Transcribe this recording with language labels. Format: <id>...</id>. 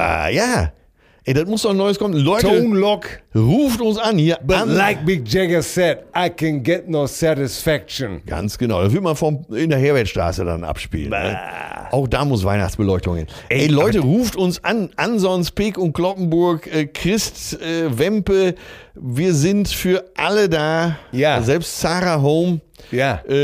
<de>Ja, ey, das muss doch ein neues kommen. Leute, Tone Lock. Ruft uns an hier.</de> <en>But</en> <de>an.</de> <en>Like Mick Jagger said, I can get no satisfaction.</en> <de>Ganz genau, das will man in der Herbertstraße dann abspielen. Ne? Auch da muss Weihnachtsbeleuchtung hin. Ey, Leute, ruft uns an. Ansonst Peek und Kloppenburg, Christ, Wempe, wir sind für alle da. Ja. Selbst Sarah Home. Ja.</de>